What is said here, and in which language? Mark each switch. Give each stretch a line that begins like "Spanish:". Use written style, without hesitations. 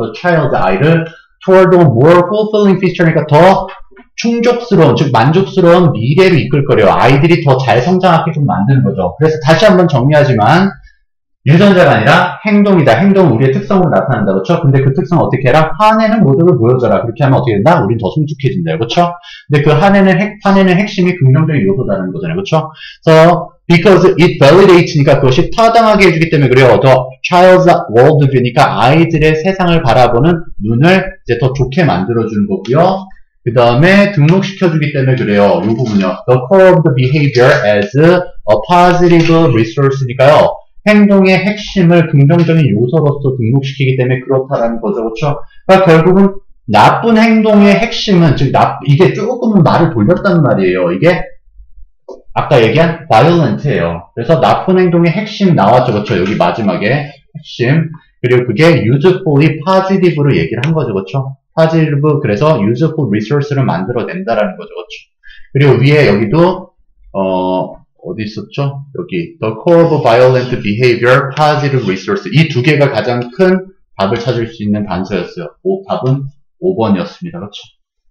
English: the child,
Korean: 아이를
English: toward a more fulfilling future.
Korean: 그러니까 더 충족스러운, 즉 만족스러운 미래를 이끌 거래요. 아이들이 더 잘 성장하게 좀 만드는 거죠. 그래서 다시 한번 정리하지만 유전자가 아니라 행동이다. 행동은 우리의 특성으로 나타난다. 그렇죠? 근데 그 특성을 어떻게 해라? 화내는 모습을 보여줘라. 그렇게 하면 어떻게 된다? 우린 더 성숙해진다. 그렇죠? 근데 그 화내는 핵심이 긍정적인 요소다라는 거잖아요. 그렇죠?
English: So, because it validates
Korean: 니까 그것이 타당하게 해주기 때문에 그래요.
English: The child's worldview
Korean: 니까 아이들의 세상을 바라보는 눈을 이제 더 좋게 만들어주는 거고요. 그 다음에 등록시켜주기 때문에 그래요. 이 부분이요.
English: The core of the behavior as a positive resource
Korean: 니까요. 행동의 핵심을 긍정적인 요소로서 등록시키기 때문에 그렇다라는 거죠. 그렇죠? 그러니까 결국은 나쁜 행동의 핵심은 즉 이게 조금은 말을 돌렸단 말이에요. 이게 아까 얘기한 violent예요. 그래서 나쁜 행동의 핵심 나왔죠. 그렇죠? 여기 마지막에 핵심. 그리고 그게
English: usefully positive
Korean: 로 얘기를 한 거죠. 그렇죠? 파지브, 그래서
English: useful resource
Korean: 를 만들어낸다라는 거죠. 그렇죠. 그리고 위에 여기도 어디 있었죠?
English: 여기 the core of violent behavior, positive resource.
Korean: 이 두 개가 가장 큰 답을 찾을 수 있는 단서였어요. 답은 5번이었습니다. 그렇죠.